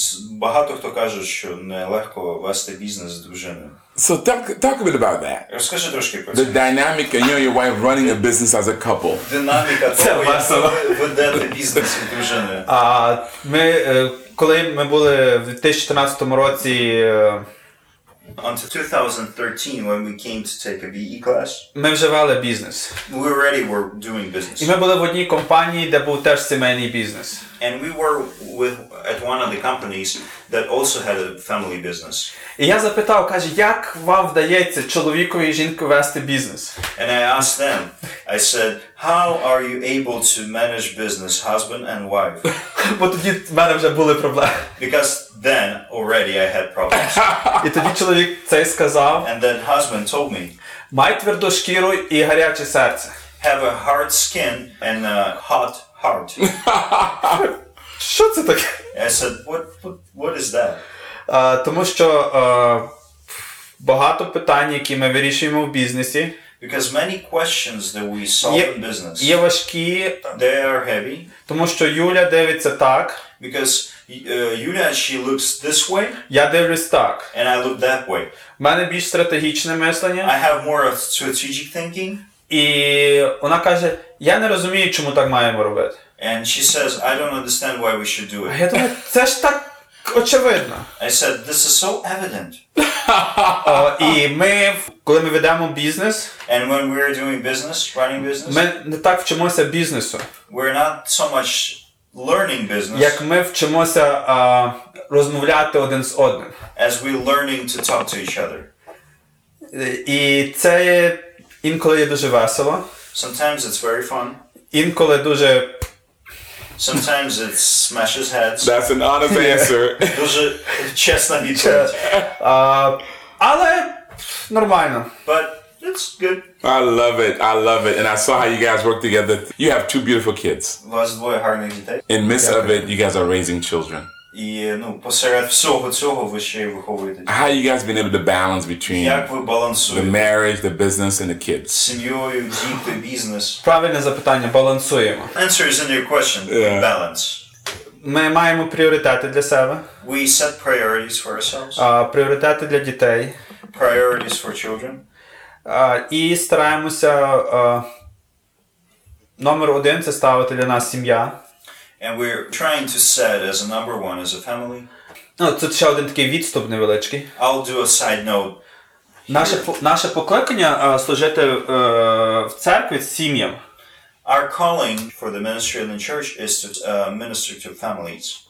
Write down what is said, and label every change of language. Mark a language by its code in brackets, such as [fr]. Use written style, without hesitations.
[uk] Багато хто каже, що не легко вести бізнес з дружиною. [en] So talk a bit about that. [uk] Розкажи трошки про це. [en] The dynamic of you and your wife running a business as a couple. [uk] Динаміка того, як ведете бізнес з дружиною. Коли ми були в 2014 році... [en] Until 2013, when we came to take a BE class, [uk] ми вже вели бізнес. [en] We already were doing business. [uk] І ми були в одній компанії, де був теж сімейний бізнес. [en] And we were at one of the companies that also had a family business. [uk] І я запитав, каже, як вам вдається чоловікові і жінки вести бізнес? [en] And I asked them, I said, how are you able to manage business, husband and wife? [uk] Бо тоді в мене вже були проблеми. [en] Because then already I had problems. [uk] І тоді чоловік це сказав. [en] And then husband told me. [uk] Май тверду шкіру і гаряче серце. [en] Have a hard skin and a hot heart. [uk] Що це таке? [en] I said, what is that? [uk] Тому що багато питань, які ми вирішуємо в бізнесі, [en] because many questions that we solve in business, [uk] є важкі, [en] they are heavy, [uk] тому що Юля дивиться так, [en] because Юля, she looks this way, [uk] я дивлюсь так, [en] and I look that way. [uk] У мене більш стратегічне мислення, [en] I have more of strategic thinking, [uk] і вона каже, я не розумію, чому так маємо робити. [en] And she says, I don't understand why we should do it. [uk] А я думаю, це ж так очевидно. [en] I said, this is so evident. [uk] І ми, коли ми ведемо бізнес, [en] and when we are doing business, running business, [uk] ми не так вчимося бізнесу, [en] we're not so much learning business, [uk] як ми вчимося розмовляти один з одним, [en] as we learning to talk to each other. [uk] І це інколи є дуже весело. [en] Sometimes it's very fun. [uk] Інколи дуже... [en] Sometimes it smashes heads. That's an honest answer. [uk] Дуже чесна відповідь. Але нормально. [en] But it's good. I love it. And I saw how you guys work together. You have two beautiful kids. [uk] У вас двоє гарних дітей. [en] In midst of it, you guys are raising children. [uk] І, посеред всього цього ви ще й виховуєте. [en] How you guys been able to balance between, [uk] як ви балансуєте, [en] the marriage, the business and the kids? [uk] Сім'єю, діти, бізнес. Правильне запитання, балансуємо. [en] Answer is in your question. Yeah. Balance. [uk] Ми маємо пріоритети для себе. [en] We set priorities for ourselves. [uk] Пріоритети для дітей. [en] Priorities for children. [uk] І стараємося номер один це ставити для нас сім'я. [en] And we're trying to set as a number one, as a family. [uk] Ну, тут ще один такий відступ невеличкий. [en] I'll do a side note. [uk] Наше покликання служити в церкві сім'ям. [en] Our calling for the ministry in the church is to minister to families.